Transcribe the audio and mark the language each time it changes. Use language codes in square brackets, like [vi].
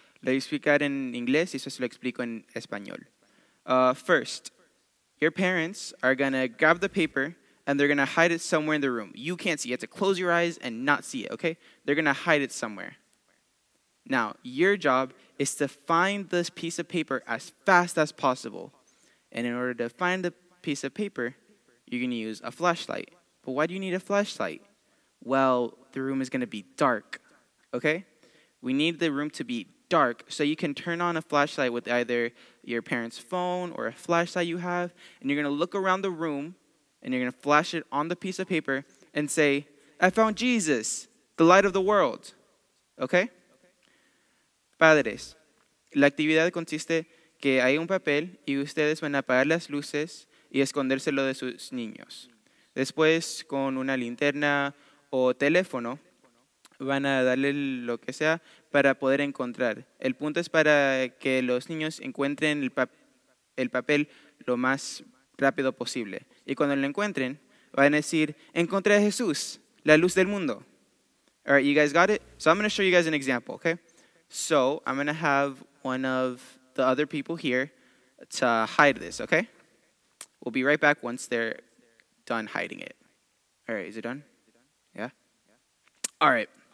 [es] Lo voy a explicar en inglés y eso se lo explico en español. [en] First, your parents are going to grab the paper and they're going to hide it somewhere in the room. You can't see it. You have to close your eyes and not see it, okay? They're going to hide it somewhere. Now, your job is to find this piece of paper as fast as possible. And in order to find the piece of paper, you're going to use a flashlight. But why do you need a flashlight? Well, the room is going to be dark, okay? We need the room to be dark so you can turn on a flashlight with either your parents' phone or a flashlight you have, and you're going to look around the room, and you're going to flash it on the piece of paper and say, I found Jesus, the light of the world, okay? [es] Padres, la actividad consiste que hay un papel y ustedes van a apagar las luces y escondérselo de sus niños. Después, con una linterna o teléfono, van a darle lo que sea para poder encontrar. El punto es para que los niños encuentren el papel lo más rápido posible. Y cuando lo encuentren, van a decir, encontré a Jesús, la luz del mundo. [en] All right, you guys got it? So I'm going to show you guys an example, okay? So I'm going to have one of the other people here to hide this, okay? We'll be right back once they're done hiding it. All right, is it done? Yeah? All right.